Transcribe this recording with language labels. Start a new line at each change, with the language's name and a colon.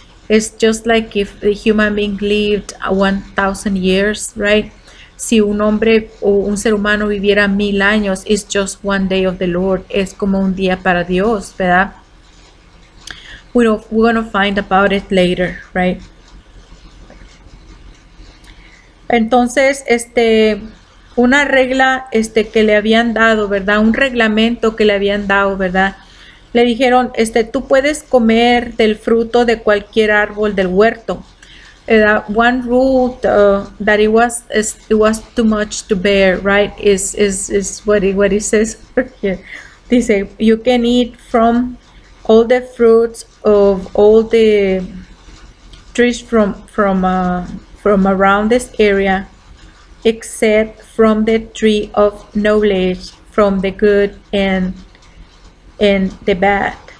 English: It's just like if the human being lived 1,000 years, right?
Spanish: Si un hombre o un ser humano viviera 1,000 años,
English: it's just one day of the Lord.
Spanish: Es como un día para Dios, ¿verdad?
English: We're going to find about it later, right?
Spanish: Entonces, una regla que le habían dado, ¿verdad? Un reglamento que le habían dado, ¿verdad? Le dijeron, tú puedes comer del fruto de cualquier árbol del huerto.
English: One rule that it was too much to bear, right? Is what it says here. Dice, you can eat from all the fruits of all the trees from around this area, except from the tree of knowledge, from the good and the bad.